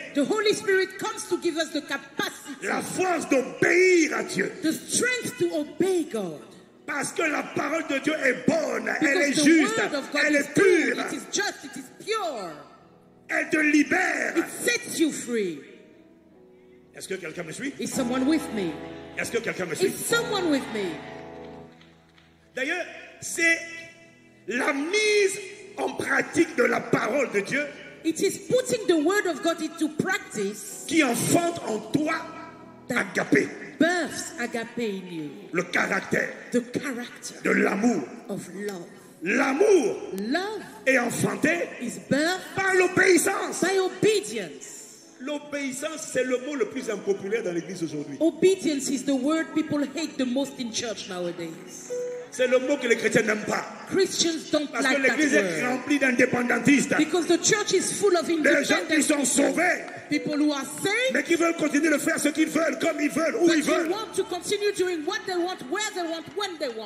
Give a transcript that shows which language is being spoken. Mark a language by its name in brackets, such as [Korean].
[English] The Holy Spirit comes to give us the capacity. [French] La force d'obéir à Dieu. [English] The strength to obey God. [French] Parce que la parole de Dieu est bonne, [English] Because [French] elle est juste, elle est pure. [English] It is just, it is pure. [French] Elle te libère. [English] It sets you free. [French] Est-ce que quelqu'un me suit? [English] Is someone with me? [French] Est-ce que quelqu'un me suit? [English] Is someone with me? [French] D'ailleurs, c'est la mise en pratique de la parole de Dieu. [English] It is putting the word of God into practice [French] qui enfante en toi agapé. [English] Births agapé in you. [French] Le caractère. [English] The character. [French] De l'amour. [English] Of love. [French] L'amour. [English] Love. [French] Est enfanté. [English] Is birthed. [French] Par l'obéissance. [English] By obedience. [French] L'obéissance, c'est le mot le plus impopulaire dans l'église aujourd'hui. [English] Obedience is the word people hate the most in church nowadays. [French] C'est le mot que les chrétiens n'aiment pas. [English] Christians don't [French] parce [English] like [French] que l'église [English] that [French] est remplie d'indépendantistes. [English] Because the church is full of independent [French] gens qui sont sauvés. [English] People who are saved. [French] Mais qui veulent continuer de faire ce qu'ils veulent, comme ils veulent, où [English] but [French] ils veulent. [English] You want to continue doing what they want, where they want, when they want.